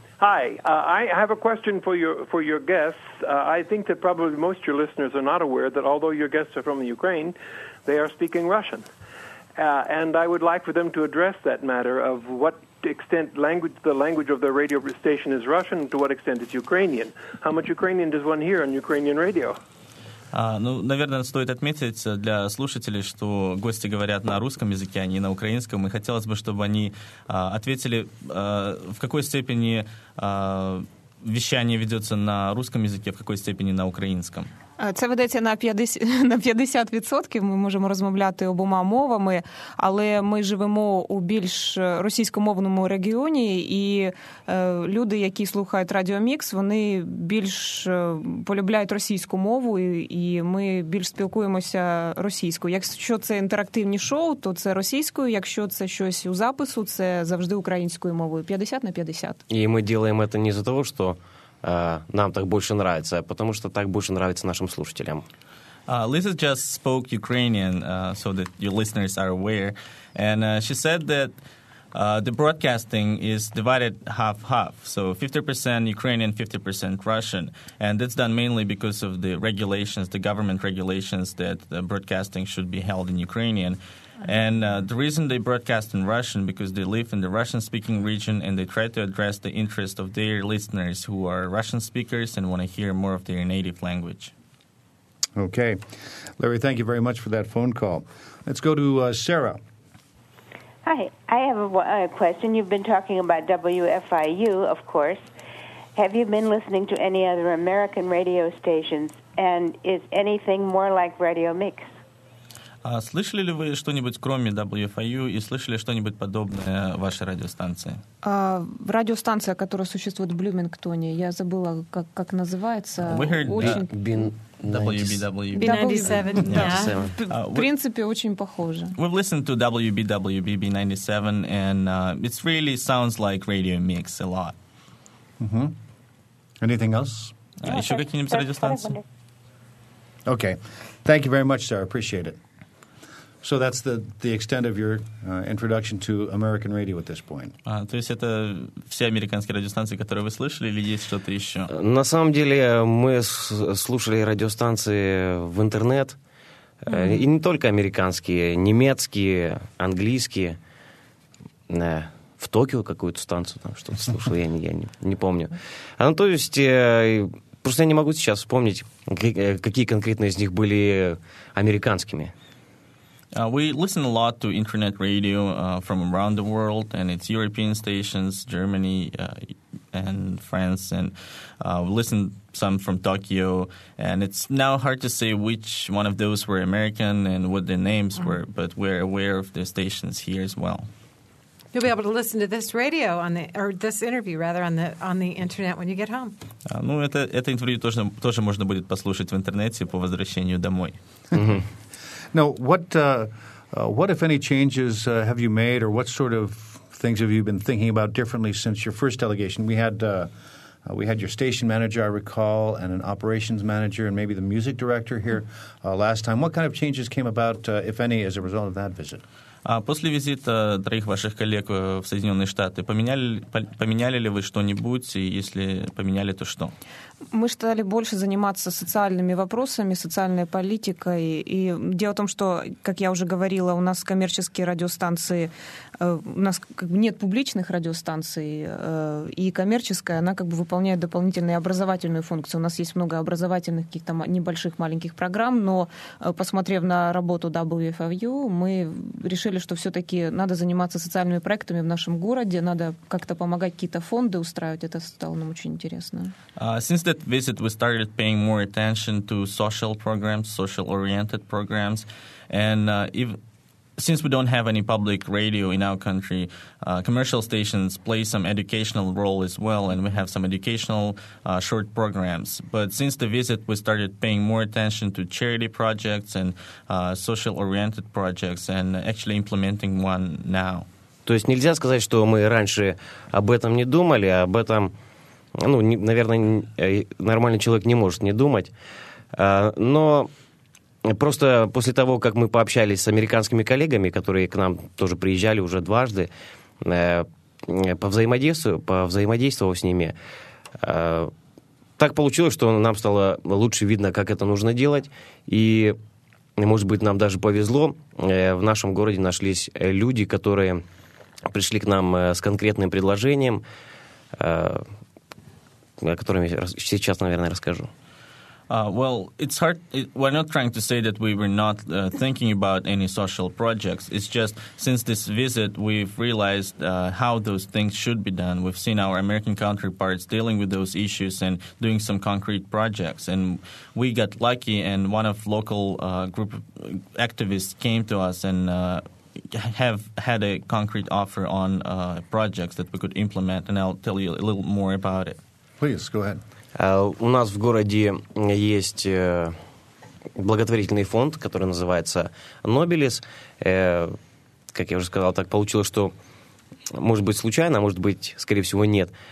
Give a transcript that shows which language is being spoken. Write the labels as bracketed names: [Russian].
[English] Hi, I have a question for your guests. I think that probably most of your listeners are not aware that although your guests are from Ukraine, they are speaking Russian. And I would like for them to address that matter of what extent the language of the radio station is Russian, to what extent it's Ukrainian. How much Ukrainian does one hear on Ukrainian radio? [Russian] Ну, наверное, стоит отметить для слушателей, что гости говорят на русском языке, а не на украинском, и хотелось бы, чтобы они ответили, в какой степени вещание ведется на русском языке, в какой степени на украинском. [Ukrainian] Це ведеться на 50%. Ми можемо розмовляти обома мовами, але ми живемо у більш російськомовному регіоні, і люди, які слухають Радіо Мікс, вони більш полюбляють російську мову, і ми більш спілкуємося російською. Якщо це інтерактивні шоу, то це російською. Якщо це щось у запису, це завжди українською мовою. 50/50. І ми ділимо це не за того, що нам [Russian] так больше нравится, потому что так больше нравится нашим слушателям. [English] Lisa just spoke Ukrainian, so that your listeners are aware. And she said that the broadcasting is divided half-half. So 50% Ukrainian, 50% Russian. And that's done mainly because of the regulations, the government regulations that the broadcasting should be held in Ukrainian. And the reason they broadcast in Russian, because they live in the Russian-speaking region and they try to address the interest of their listeners who are Russian speakers and want to hear more of their native language. Okay. Larry, thank you very much for that phone call. Let's go to Sarah. Hi. I have a question. You've been talking about WFIU, of course. Have you been listening to any other American radio stations? And is anything more like Radio Mix? [Russian] Слышали ли вы что-нибудь кроме WFIU и слышали что-нибудь подобное в вашей радиостанции? Радиостанция, которая существует в Блюмингтоне, я забыла, как называется. [English] We heard WBW. [Russian] В принципе, очень похоже. [English] We've listened to WBW B97, and it really sounds like Radio Mix a lot. Mm-hmm. Anything else? [Russian] Еще какие-нибудь радиостанции? [English] Okay. Thank you very much, sir. Appreciate it. So that's the extent of your introduction to American radio at this point. [Russian] То есть это все американские радиостанции, которые вы слышали, или есть что-то еще? На самом деле мы слушали радиостанции в интернет, и не только американские, немецкие, английские. В Токио какую-то станцию там что-то слушал, я не помню. То есть просто я не могу сейчас вспомнить, какие конкретно из них были американскими. [English] We listen a lot to internet radio from around the world, and it's European stations, Germany and France, and we listen some from Tokyo, and it's now hard to say which one of those were American and what their names were, but we're aware of the stations here as well. You'll be able to listen to this radio on the or this interview rather on the internet when you get home. [Russian] Это интервью тоже можно будет послушать в интернете по возвращению домой. [English] Now, what if any changes have you made, or what sort of things have you been thinking about differently since your first delegation? We had your station manager, I recall, and an operations manager, and maybe the music director here last time. What kind of changes came about, if any, as a result of that visit? [Russian] После визита троих ваших коллег в Соединенные Штаты, поменяли ли вы что-нибудь, и если поменяли, то что? Мы стали больше заниматься социальными вопросами, социальной политикой. И дело в том, что, как я уже говорила, у нас коммерческие радиостанции, у нас как бы нет публичных радиостанций, и коммерческая, она как бы выполняет дополнительную образовательную функцию. У нас есть много образовательных каких-то небольших, маленьких программ, но, посмотрев на работу WFIU, мы решили, что все-таки надо заниматься социальными проектами в нашем городе, надо как-то помогать какие-то фонды устраивать. Это стало нам очень интересно. [English] Since that visit, we started paying more attention to social programs, social-oriented programs, and since we don't have any public radio in our country, commercial stations play some educational role as well, and we have some educational short programs. But since the visit, we started paying more attention to charity projects and social-oriented projects and actually implementing one now. [Russian] То есть нельзя сказать, что мы раньше об этом не думали, а об этом, ну, не, наверное, нормальный человек не может не думать. Но просто после того, как мы пообщались с американскими коллегами, которые к нам тоже приезжали уже дважды, повзаимодействовав с ними, так получилось, что нам стало лучше видно, как это нужно делать. И, может быть, нам даже повезло, в нашем городе нашлись люди, которые пришли к нам с конкретным предложением, о котором я сейчас, наверное, расскажу. [English] Well, it's hard. We're not trying to say that we were not thinking about any social projects. It's just since this visit, we've realized how those things should be done. We've seen our American counterparts dealing with those issues and doing some concrete projects. And we got lucky, and one of local group of activists came to us and have had a concrete offer on projects that we could implement. And I'll tell you a little more about it. Please, go ahead. [Russian] У нас в городе есть благотворительный фонд, который называется «Нобелис». Как я уже сказал, так получилось, что, может быть, случайно, а может быть, скорее всего, нет.